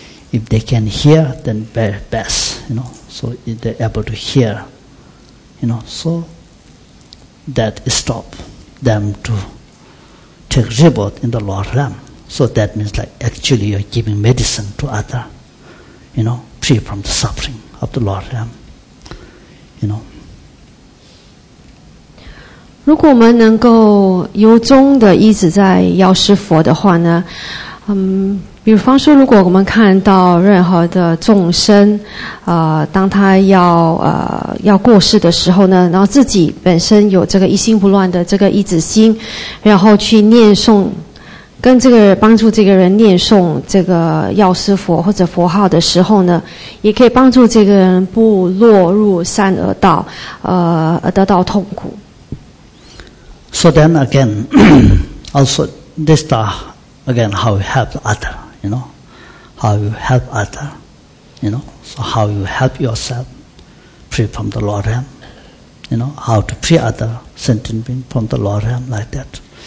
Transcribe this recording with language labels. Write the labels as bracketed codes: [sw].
[en] If they can hear, then very best, you know. So if they're able to hear, you know, so that stop them to take rebirth in the lower realm. So that means like actually you're giving medicine to other, you know, free from the suffering of the lower realm, you know. [zh] 如果我们能够由衷的一直在药师佛的话呢，比方说如果我们看到任何的众生，当他要过世的时候呢，然后自己本身有这个一心不乱的这个一止心，然后去念诵，跟这个帮助这个人念诵这个药师佛或者佛号的时候呢，也可以帮助这个人不落入善恶道，而得到痛苦。 [en] So then again, also this the again how you help other, you know, how you help other, you know, so how you help yourself free from the lower realm, you know, how to free other sentient being from the lower realm like that.